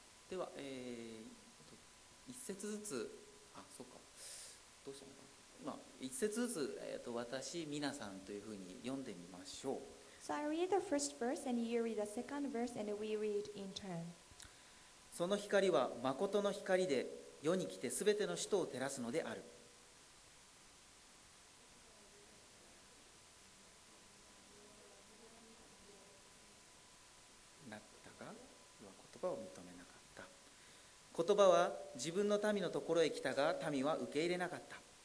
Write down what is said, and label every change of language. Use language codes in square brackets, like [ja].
[ja] では、一節ずつ、あ、そうか、どうしようかな、まあ、一節ずつ、私、みなさんというふうに読んでみましょう。 [en] So I read the first verse, and you read the second verse, and we read in turn. [ja] その光は誠の光で、世に来てすべての人を照らすのである。なったか？では言葉を認めなさい。言葉は自分の民のところへ来たが、民は受け入れなかった。